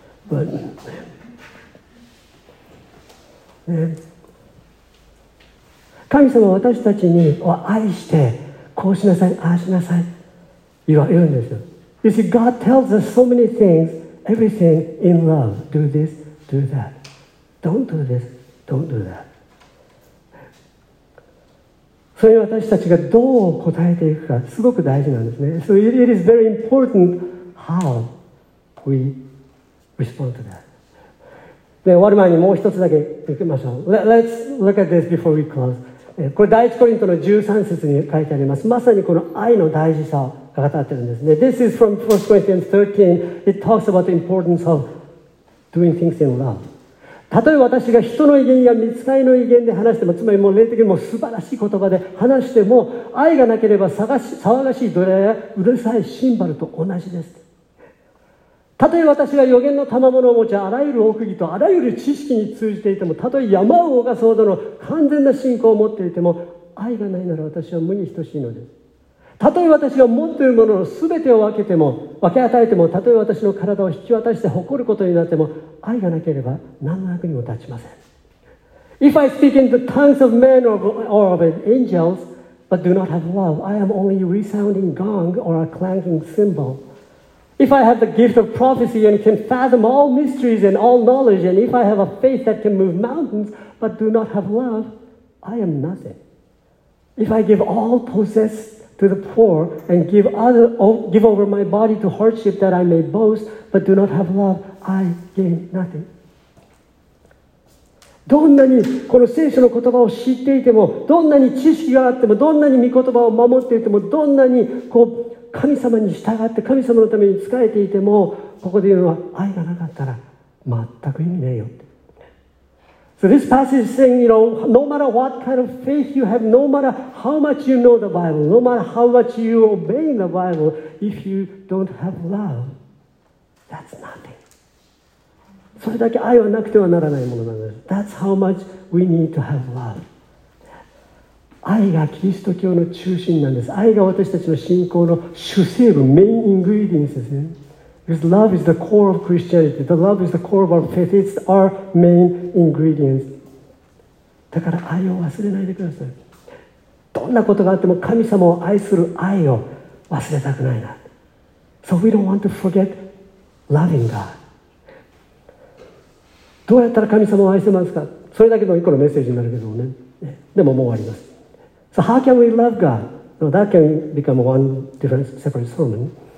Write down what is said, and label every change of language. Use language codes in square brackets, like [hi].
[ja] Butね、神様は私たちに愛してこうしなさい、ああしなさい言うんですよ。 [en] You see, God tells us so many things, everything in love. Do this, do that. Don't do this, don't do that. [ja] それに私たちがどう答えていくかすごく大事なんですね。 [en] So it is very important how we respond to that. [ja] で終わる前にもう一つだけ行きましょう。 [en] Let's look at this before we close. [ja] これ第一コリントの13節に書いてあります。まさにこの愛の大事さを語っているんですね。 [en] This is from 1 Corinthians 13. It talks about the importance of doing things in love. [ja] たとえ私が人の威厳や見つかりの威厳で話しても、つまりもう霊的にも素晴らしい言葉で話しても、愛がなければ騒がしいドラやうるさいシンバルと同じです。たとえ私が予言の賜物を持ち、あらゆる奥義とあらゆる知識に通じていても、たとえ山を動かすほどの完全な信仰を持っていても、愛がないなら私は無に等しいのです。たとえ私が持っているものの全てを分けても分け与えても、たとえ私の体を引き渡して誇ることになっても、愛がなければ何の役にも立ちません。 [en] If I speak in the tongues of men or of angels but do not have love, I am only a resounding gong or a clanking cymbalIf I have the gift of prophecy and can fathom all mysteries and all knowledge, and if I have a faith that can move mountains but do not have love, I am nothing. If I give all possess to the poor and give over my body to hardship that I may boast but do not have love, I gain nothing. [ja] どんなにこの聖書の言葉を知っていても、どんなに知識があっても、どんなに御言葉を守っていても、どんなにこう神様に従って神様のために仕えていても、ここで言うのは愛がなかったら全く意味ねえよ。 [en] So this passage is saying, you know, no matter what kind of faith you have, no matter how much you know the Bible, no matter how much you obey the Bible, if you don't have love, that's nothing. [ja] それだけ愛はなくてはならないものなんです。 [en] That's how much we need to have love. [ja] 愛がキリスト教の中心なんです。愛が私たちの信仰の主成分、メインイングリディエンスですね。 [en] Because love is the core of Christianity. The love is the core of our faith. It's our main ingredient. [ja] だから愛を忘れないでください。どんなことがあっても神様を愛する愛を忘れたくないな。 [en] So we don't want to forget loving God. [ja] どうやったら神様を愛せますか？それだけの一個のメッセージになるけどね。でももう終わります。 [en] So how can we love God? Now that can become one different separate sermon.